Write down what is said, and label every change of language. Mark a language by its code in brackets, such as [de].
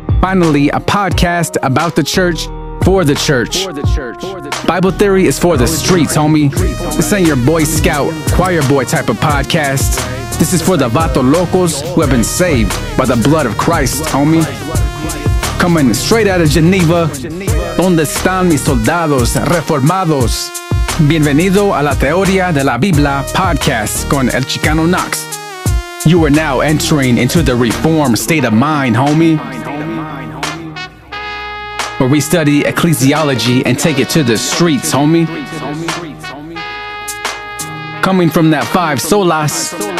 [en] Finally, a podcast about the church, for the church. Bible Theory is for the streets, homie. This ain't your Boy Scout, choir boy type of podcast. This is for the vato locos who have been saved by the blood of Christ, homie. Coming straight out of Geneva. [es] ¿Dónde están mis soldados reformados? Bienvenido a la Teoría de la Biblia Podcast con el Chicano Knox. [en] You are now entering into the reform state of mind, homie. Where we study ecclesiology and take it to the streets, homie. Coming from that five solas.